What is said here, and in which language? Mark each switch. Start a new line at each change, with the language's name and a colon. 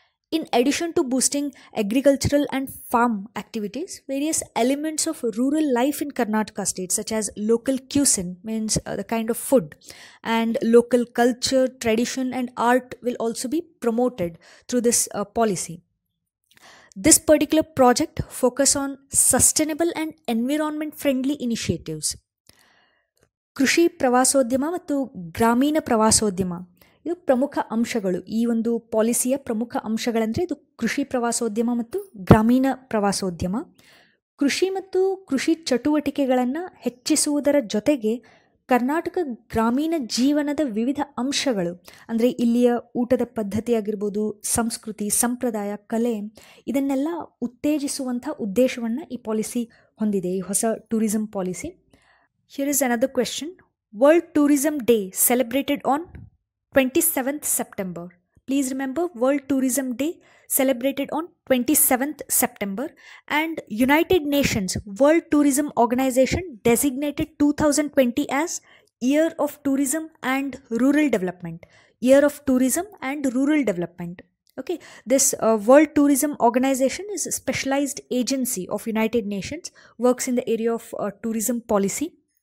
English: In addition to boosting agricultural and farm activities, various elements of rural life in Karnataka state, such as local cuisine, means the kind of food, and local culture, tradition and art will also be promoted through this policy. This particular project focuses on sustainable and environment-friendly initiatives.
Kannada: Krushi Pravasodhyama matu Gramina Pravasodhyama. ಇದು ಪ್ರಮುಖ ಅಂಶಗಳು ಈ ಒಂದು ಪಾಲಿಸಿಯ ಪ್ರಮುಖ ಅಂಶಗಳಂದರೆ ಇದು ಕೃಷಿ ಪ್ರವಾಸೋದ್ಯಮ ಮತ್ತು ಗ್ರಾಮೀಣ ಪ್ರವಾಸೋದ್ಯಮ ಕೃಷಿ ಮತ್ತು ಕೃಷಿ ಚಟುವಟಿಕೆಗಳನ್ನು ಹೆಚ್ಚಿಸುವುದರ ಜೊತೆಗೆ ಕರ್ನಾಟಕ ಗ್ರಾಮೀಣ ಜೀವನದ ವಿವಿಧ ಅಂಶಗಳು ಅಂದರೆ ಇಲ್ಲಿಯ ಊಟದ ಪದ್ಧತಿಯಾಗಿರ್ಬೋದು ಸಂಸ್ಕೃತಿ ಸಂಪ್ರದಾಯ ಕಲೆ ಇದನ್ನೆಲ್ಲ ಉತ್ತೇಜಿಸುವಂಥ ಉದ್ದೇಶವನ್ನು ಈ ಪಾಲಿಸಿ ಹೊಂದಿದೆ ಈ ಹೊಸ tourism policy here is another question world tourism day celebrated on 27th September.
English: Please remember World Tourism Day celebrated on 27th September and United Nations World Tourism Organization designated 2020 as Year of Tourism and Rural Development. Year of Tourism and Rural Development. Okay, this World Tourism Organization is a specialized agency of United Nations, works in the area of tourism policy.